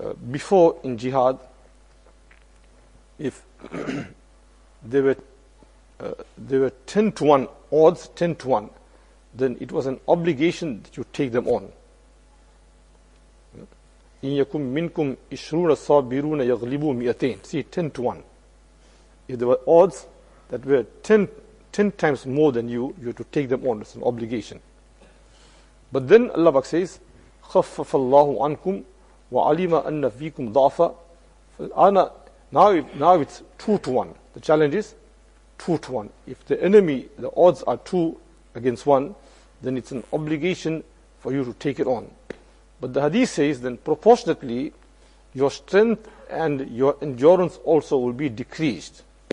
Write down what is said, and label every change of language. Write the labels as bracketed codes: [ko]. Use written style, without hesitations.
[en] Before in jihad, if there were 10 to 1 odds, 10 to 1, then it was an obligation that you take them on. [ar] إِن يَكُمْ مِنْكُمْ إِشْرُونَ صَابِرُونَ يَغْلِبُوا مِئَتَيْن. [en] See, 10 to 1. If there were odds that were 10 times more than you, you had to take them on. It's an obligation. But then Allah Pak says, [ar] خَفَّفَ اللَّهُ عَنْكُمْ وَعَلِمَ أَنَّ فِيكُمْ ضَعْفًا. [en] Now it's 2 to 1. The challenge is 2 to 1. If the enemy, the odds are 2 against 1, then it's an obligation for you to take it on. But the hadith says, then proportionately, your strength and your endurance also will be decreased.